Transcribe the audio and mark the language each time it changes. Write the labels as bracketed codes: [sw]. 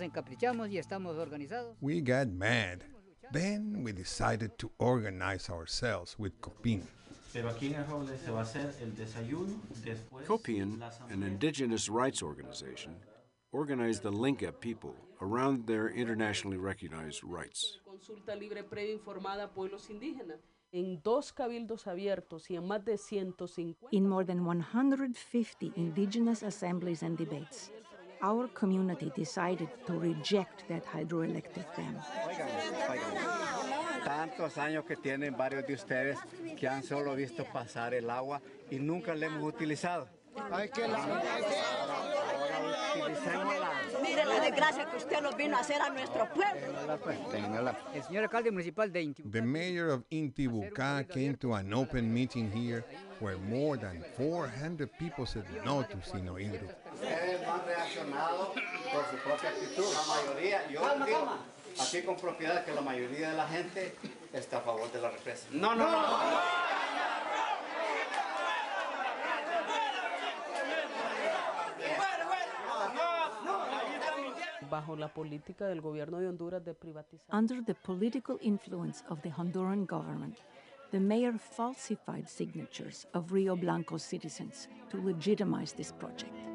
[en] We got mad. Then we decided to organize ourselves with Copin. Copin, an indigenous rights organization, organized the Lenca people around their internationally recognized rights. [es] consulta libre, previa, informada a pueblos indígenas. En dos cabildos abiertos y en más de 150... [en] In more than 150 indigenous assemblies and debates, our community decided to reject that hydroelectric dam. [es] Tantos años que tienen varios de ustedes que han solo visto pasar el agua y nunca la hemos utilizado. Mire la desgracia que usted nos vino a hacer a nuestro pueblo. El señor alcalde municipal de Intibucá. [en] The mayor of Intibucá came to an open meeting here where more than 400 people said no to Sino Hidro. [es] Ustedes no han reaccionado por su propia actitud. La mayoría, yo digo aquí con propiedad que la mayoría de la gente está a favor de la represa. No. Bajo la política del gobierno de Honduras de privatizar. [en] Under the political influence of the Honduran government, the mayor falsified signatures of Rio Blanco citizens to legitimize this project.